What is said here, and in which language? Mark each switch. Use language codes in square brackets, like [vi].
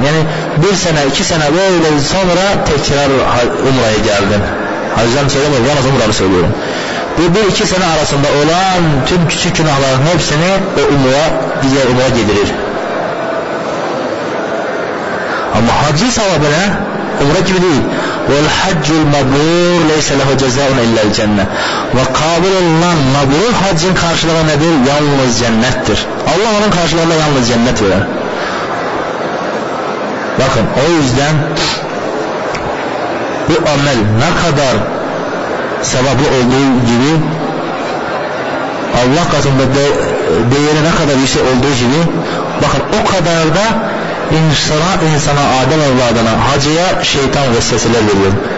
[tr] Yani bir sene, iki sene böyle sonra tekrar umraya geldin. Hacdan söylemiyorum, yalnız umranı söylüyorum. Bir iki sene arasında olan tüm küçük günahların hepsini o umura, diğer umura gidirir. Ama hacı sevabı ne? Umura gibi değil. [ar] والحج المبرور ليس له جزاء إلا الجنة. وقابل الله مبرور حجين [tr] karşılığı nedir? Yalnız cennettir. Allah onun karşılığında yalnız cennet verir. Bakın o yüzden bu amel ne kadar sevaplı olduğu gibi Allah katında değeri ne kadar yüksek olduğu gibi, bakın o kadar da insana Adem evladına, hacıya şeytan vesveseler veriyor.